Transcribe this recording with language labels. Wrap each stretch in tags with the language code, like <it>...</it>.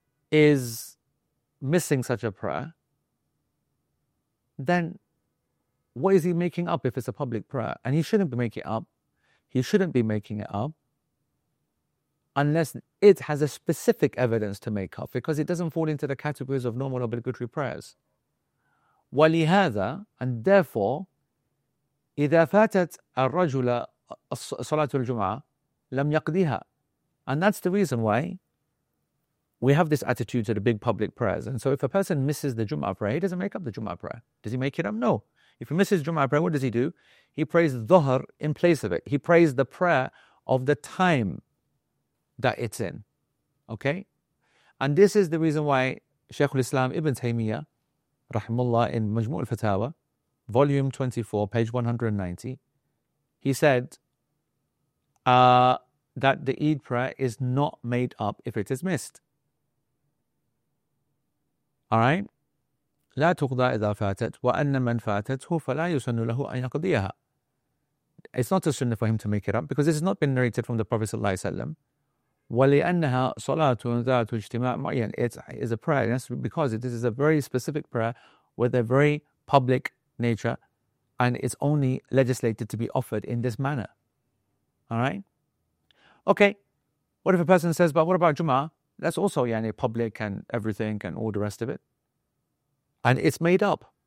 <en>is missing such a prayer, then what is he making up if it's a public prayer? And he shouldn't be making it up. He shouldn't be making it up unless it has a specific evidence to make up, because it doesn't fall into the categories of normal obligatory prayers.</en> <ar>ولهذا,</ar> <en>and therefore,</en> <ar>إذا فاتت الرجل صلاة الجمعة لم يقضيها.</ar> <en>And that's the reason why we have this attitude to the big public prayers. And so if a person misses the Jum'ah prayer, he doesn't make up the Jum'ah prayer. Does he make it up? No. If he misses Jum'ah prayer, what does he do? He prays Dhuhr in place of it. He prays the prayer of the time that it's in. Okay? And this is the reason why Shaykh al-Islam Ibn Taymiyyah, Rahimullah, in Majmu' al-Fatawa, volume 24, page 190, he said that the Eid prayer is not made up if it is missed. Alright?</en> <ar>لا تقضى إذا فاتت وأن من فاتته فلا يسن له أن يقضيها.</ar> <en>It's not a sunnah for him to make it up, because this has not been narrated from the Prophet صلى الله عليه وسلم.</en> <ar>ولأنها صلاة ذات اجتماع معين.</ar> <en>It is a prayer, yes, because this is a very specific prayer with a very public nature, and it's only legislated to be offered in this manner. Alright? Okay. What if a person says, but what about Jum'ah? That's also yani public and everything and all the rest of it. And it's made up.</en>